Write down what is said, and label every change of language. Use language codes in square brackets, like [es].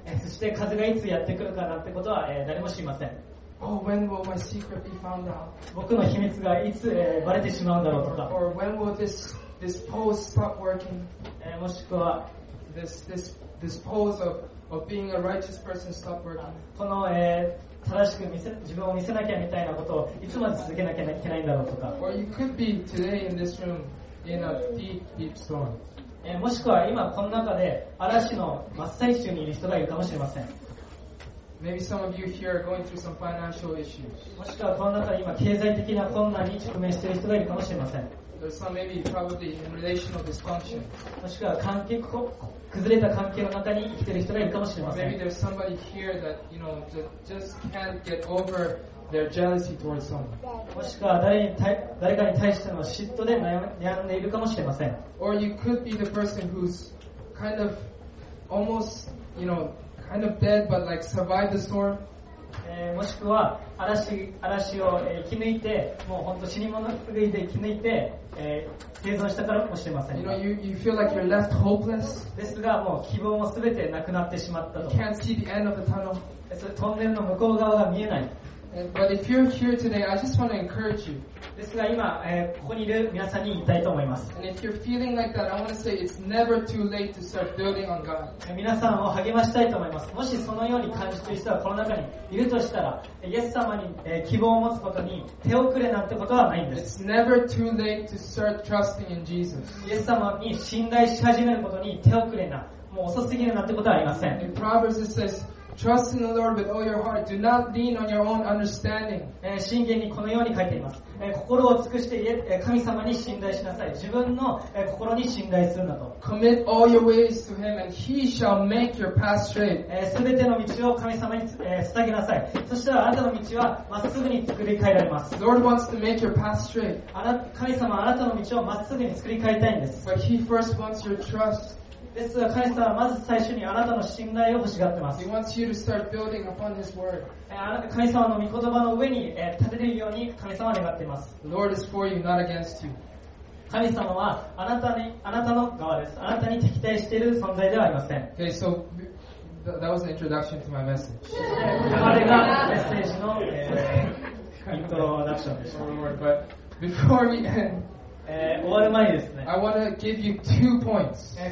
[ja] そして風がいつやってくるかなんてことは誰も知りません。 [en] Oh, when will my secret be found out? [ja] 僕の秘密がいつバレてしまうんだろうとか。 [en] Or when will this pose stop working? [ja] もしくは [en] this pose of being a righteous person stop working? [ja] この正しく自分を見せなきゃみたいなことをいつまで続けなきゃいけないんだろうとか。 [en] Or you could be today in this room in a deep, deep storm. [ja] もしくは今この中で嵐の真っ最中にいる人がいるかもしれません。 [en] Maybe some of you here are going through some financial issues. [ja] もしくはこの中で今経済的な困難に直面している人がいるかもしれません。 [en] There's some maybe probably in relational dysfunction. [ja] もしくは関係崩れた関係の中に生きている人がいるかもしれません。 [en] Maybe there's somebody here that, you know, just can't get over their jealousy towards someone. [ja] もしくは誰かに対しての嫉妬で悩んでいるかもしれません。 [en] Or you could be the person who's kind of almost, you know, kind of dead but like survived the storm. [ja] もしくは嵐を生き抜いて、もう本当死に物狂いで生き抜いて、生存したからかもしれません。 [en] You know, you feel like you're left hopeless. [ja] ですが、もう希望もすべてなくなってしまったと。 [en] You can't see the end of the tunnel. [ja] そのトンネルの向こう側が見えない。 [en] But if you're here today, I just want to encourage you. [ja] ですが今、ここにいる皆さんに言いたいと思います。 [en] And if you're feeling like that, I want to say it's never too late to start building on God. [ja] 皆さんを励ましたいと思います。もしそのように感じている人がこの中にいるとしたら、イエス様に、希望を持つことに手遅れなんてことはないんです。 [en] It's never too late to start trusting in Jesus. [ja] イエス様に信頼し始めることに手遅れな、もう遅すぎるなんてことはありません。 [en] In Proverbs it says,Trust in the Lord with all your heart. Do not lean on your own understanding. [ja] 箴言にこのように書いています。心を尽くして神様に信頼しなさい。自分の心に信頼するなと。 [en] Commit all your ways to Him and He shall make your path straight. [ja] すべての道を神様に捧げなさい。そしたらあなたの道はまっすぐに作り変えられます。 [en] Lord wants to make your path straight. [ja] 神様はあなたの道をまっすぐに作り変えたいんです。 [en] But He first wants your trust. [ja] ですが神様はまず最初にあなたの信頼を欲しがってます。 [en] He wants you to start building upon His word. [ja] 神様の御言葉の上に立てるように神様は願っています。 [en] Lord is for you, not against you. [ja] 神様はあなたの側です。あなたに敵対している存在ではありません。 [en] Okay, so that was an introduction to my message. [ja] あれがメッセージのイントロダクションでした。 [en] But before we end, [ja] 終わる前にですね、 [en] I wanna give you two points.